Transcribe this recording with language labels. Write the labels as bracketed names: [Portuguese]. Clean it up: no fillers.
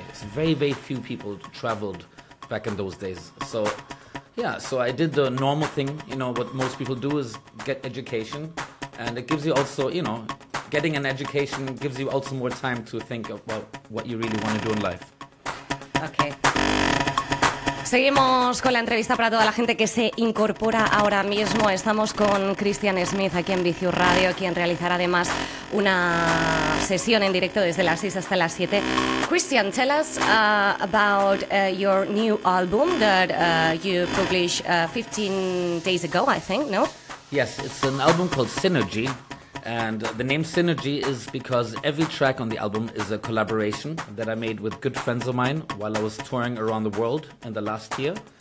[English] It's very, very few people traveled back in those days. So, yeah, so I did the normal thing. You know, what most people do is get education. And it gives you also, you know, getting an education gives you also more time to think about what you really want to do in life. Okay. [Spanish] Seguimos con la entrevista para toda la gente que se incorpora ahora mismo. Estamos con Christian Smith aquí en Viciu Radio, quien realizará además una sesión en directo desde las 6 hasta las 7. [English] Christian, tell us about your new album that you published 15 days ago, I think, no? Yes, it's an album called Synergy. And the name Synergy is because every track on the album is a collaboration that I made with good friends of mine while I was touring around the world in the last year.